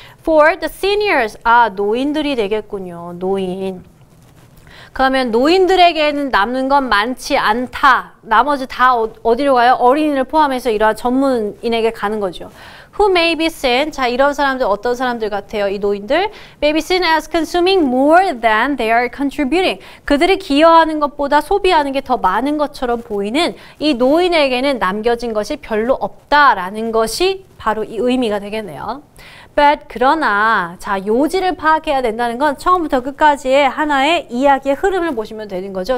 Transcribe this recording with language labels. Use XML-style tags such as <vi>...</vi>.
<en>For the seniors,</en> <ko>아 노인들이 되겠군요. 노인. 그러면 노인들에게는 남는 건 많지 않다. 나머지 다 어디로 가요? 어린이를 포함해서 이러한 전문인에게 가는 거죠.</ko> <en>Who may be seen?</en> <ko>자, 이런 사람들 어떤 사람들 같아요? 이 노인들.</ko> <en>May be seen as consuming more than they are contributing.</en> <ko>그들이 기여하는 것보다 소비하는 게 더 많은 것처럼 보이는 이 노인에게는 남겨진 것이 별로 없다라는 것이 바로 이 의미가 되겠네요. But 그러나 자 요지를 파악해야 된다는 건 처음부터 끝까지의 하나의 이야기의 흐름을 보시면 되는 거죠.</ko>